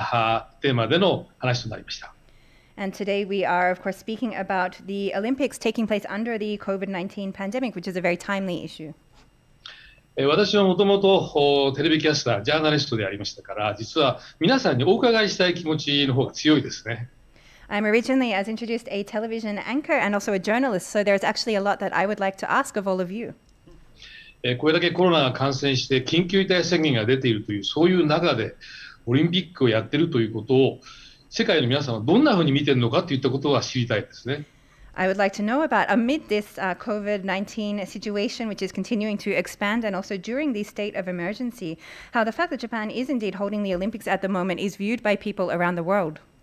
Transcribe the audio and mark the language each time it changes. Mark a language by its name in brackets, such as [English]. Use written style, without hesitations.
[Japanese] 今回はこのコロナ禍におオリンピックという非常にタイムリーなテーマでの話となりました。 [English] And today we are, of course, speaking about the Olympics taking place under the COVID-19 pandemic, which is a very timely issue. [Japanese] 私はもともとテレビキャスター、ジャーナリストでありましたから、実は皆さんにお伺いしたい気持ちの方が強いですね。 [English] I'm originally, as introduced, a television anchor and also a journalist, so there's actually a lot that I would like to ask of all of you. [Japanese] これだけコロナが感染して緊急事態宣言が出ているという、そういう中でオリンピックをやっているということを 世界の皆さんはどんなふうに見てるのかといったことは知りたいですね。 [English] I would like to know about amid this COVID-19 situation, which is continuing to expand, and also during the state of emergency, how the fact that Japan is indeed holding the Olympics at the moment is viewed by people around the world.